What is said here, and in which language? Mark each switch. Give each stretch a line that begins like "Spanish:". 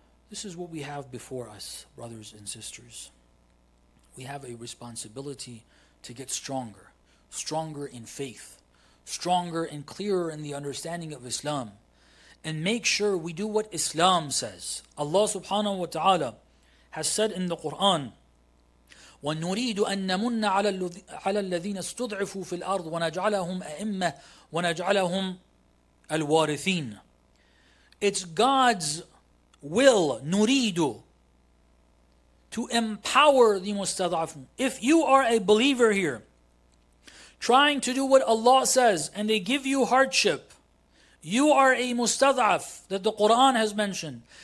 English: This is what we have before us, brothers and sisters. We have a responsibility to get stronger. Stronger in faith. Stronger and clearer in the understanding of Islam. And make sure we do what Islam says. Allah subhanahu wa ta'ala has said in the Quran,
Arabic: وَنُرِيدُ أَن نَمُنَّ عَلَى الَّذِينَ اسْتُضْعِفُوا فِي الْأَرْضِ وَنَجْعَلَهُمْ أَئِمَّةً وَنَجْعَلَهُمْ الْوَارِثِينَ.
English: It's God's will, نُرِيدُ, to empower the مُسْتَضْعَفُونَ. If you are a believer here, trying to do what Allah says, and they give you hardship, you are a مُسْتَضْعَف, that the Quran has mentioned.